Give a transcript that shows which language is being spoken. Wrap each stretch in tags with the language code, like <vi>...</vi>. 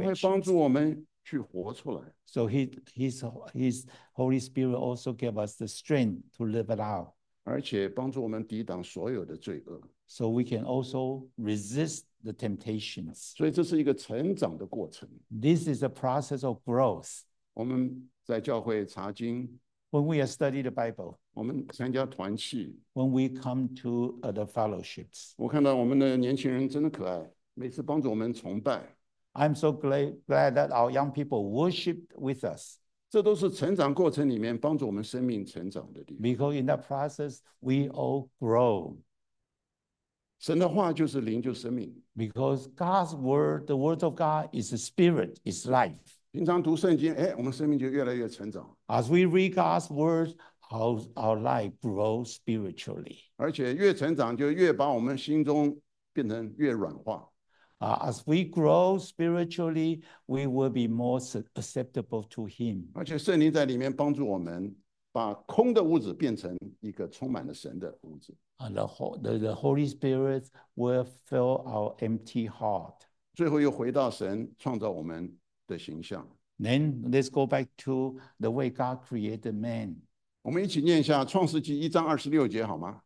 <zh>然后帮助我们去活出来。</zh> <en>So his Holy Spirit also gave us the strength to live it out.</en> <zh>而且帮助我们抵挡所有的罪恶。</zh> <en>So we can also resist the temptations.</en> <zh>所以这是一个成长的过程。</zh> <en>This is a process of growth.</en> <zh>我们在教会查经。</zh> <en>When we are studying the Bible,</en> <zh>我们参加团契</zh> <en>when we come to the fellowships,</en> <zh>我看到我们的年轻人真的可爱，每次帮助我们崇拜。</zh> <en>I'm so glad that our young people worship with us.</en> <zh>这都是成长过程里面帮助我们生命成长的地方。</zh> <en>Because in that process, we all grow.</en> <zh>神的话就是灵，就是生命。</zh> <en>Because God's word, the word of God is a spirit, is life.</en> <zh>平常读圣经，哎，我们生命就越来越成长。</zh> <en>As we read God's words, our life grows spiritually.</en> <zh>而且越成长，就越把我们心中变成越软化。</zh> <en>As we grow spiritually, we will be more acceptable to Him.</en> <zh>而且圣灵在里面帮助我们，把空的屋子变成一个充满了神的屋子。</zh> <en>The Holy Spirit will fill our empty heart.</en> <zh>最后又回到神创造我们。的形象。</zh> <en>Then let's go back to the way God created man.</en> <zh>我们一起念一下《创世纪》一章二十六节，好吗？</zh>